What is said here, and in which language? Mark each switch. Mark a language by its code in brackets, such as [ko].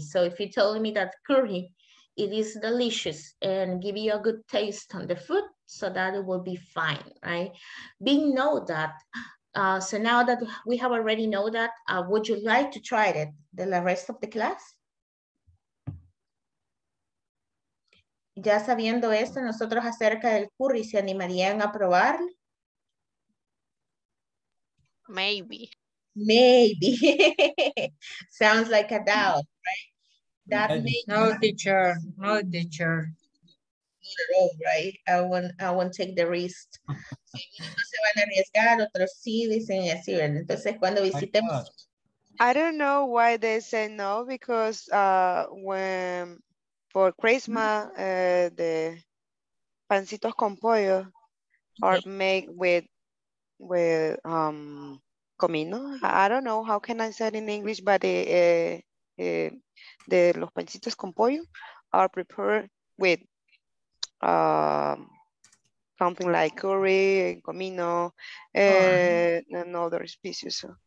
[en] So if you're telling me that curry, it is delicious and give you a good taste on the food, so that it will be fine, right? Being know that, so now that we have already know that, would you like to try it, the rest of the class? [es] Ya sabiendo esto, nosotros acerca del curry, ¿se animarían a probarlo? [en] Maybe. Maybe. Sounds like a doubt, right? That No teacher. Not at all, right? I won't take the risk. [es] Si no se van a arriesgar, otros sí, dicen así, ¿verdad? Entonces, cuando visitemos. [en] I don't know why they say no, because when for Christmas, the [es] pancitos con pollo [en] are made with comino. I don't know how can I say it in English, but the [es] los pancitos con pollo [en] are prepared with something like curry, comino, another species.